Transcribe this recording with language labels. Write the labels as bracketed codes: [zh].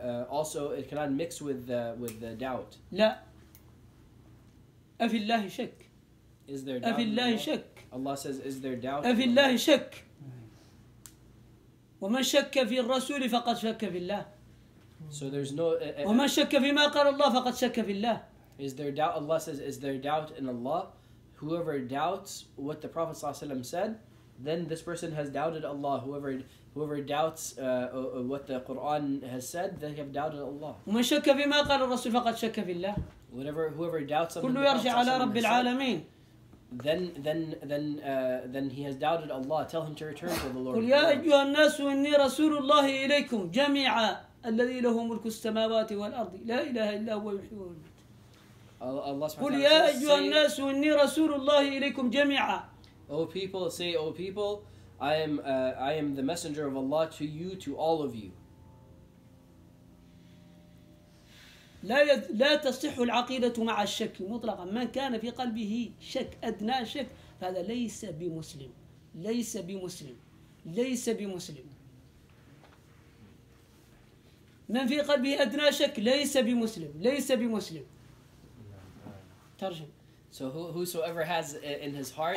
[en] Also, it cannot mix with the doubt. [ar] لا. أفي الله شك. [en] Is there doubt? [ar] أفي الله شك. [en] Allah says, is there doubt? [ar] أفي الله شك. ومن شك في الرسول فقد شك في الله. [en] So there's no. [ar] ومن شك في ما قال الله فقد شك في الله. [en] Is there doubt? Allah says, is there doubt in Allah? Whoever doubts what the Prophet ﷺ said, then this person has doubted Allah. Whoever doubts what the Quran has said, they have doubted Allah. [ar] ومن شك في ما قال الرسول فقد شك في الله. [en] Whoever doubts [ar] كله يرجع على رب العالمين. [en] Then he has doubted Allah. Tell him to return to the Lord. [ar] قل يا أيها الناس إني رسول الله إليكم جميعا الذي له ملك السماوات والأرض لا إله إلا هو يحيي ويميت. قل يا أيها الناس إني رسول الله إليكم جميعا. [en] O people, say, O people, I am the messenger of Allah to you, to all of you. [ar] لا تصح العقيدة مع الشك مطلقا. من كان في قلبه شك أدنى شك فهذا ليس بمسلم. ليس بمسلم. ليس بمسلم. من في قلبه أدنى شك ليس بمسلم. ليس بمسلم. ترجم. [en] So whosoever has in his heart